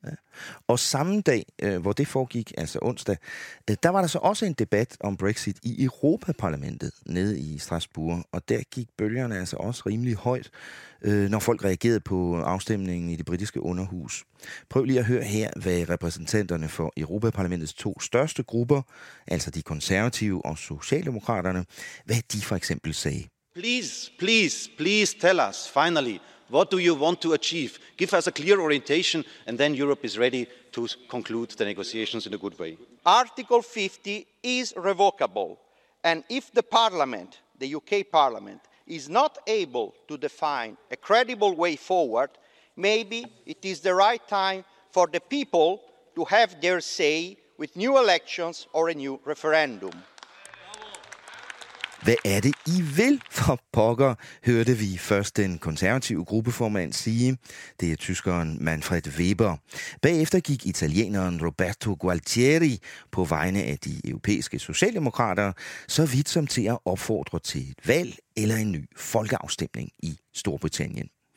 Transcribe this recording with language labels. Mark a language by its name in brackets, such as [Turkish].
[Danish] Ja. Og samme dag, hvor det foregik, altså onsdag, der var der så også en debat om Brexit i Europaparlamentet nede i Strasbourg, og der gik bølgerne altså også rimelig højt, når folk reagerede på afstemningen i det britiske underhus. Prøv lige at høre her, hvad repræsentanterne for Europaparlamentets to største grupper, altså de konservative og socialdemokraterne, hvad de for eksempel sagde. [English] Please, please, please tell us finally, what do you want to achieve? Give us a clear orientation and then Europe is ready to conclude the negotiations in a good way. Article 50 is revocable. And if the Parliament, the UK Parliament, is not able to define a credible way forward, maybe it is the right time for the people to have their say with new elections or a new referendum. [Danish] Hvad er det, I vil for pokker, hørte vi først den konservative gruppeformand sige. Det er tyskeren Manfred Weber. Bagefter gik italieneren Roberto Gualtieri på vegne af de europæiske socialdemokrater så vidt som til at opfordre til et valg eller en ny folkeafstemning i Storbritannien.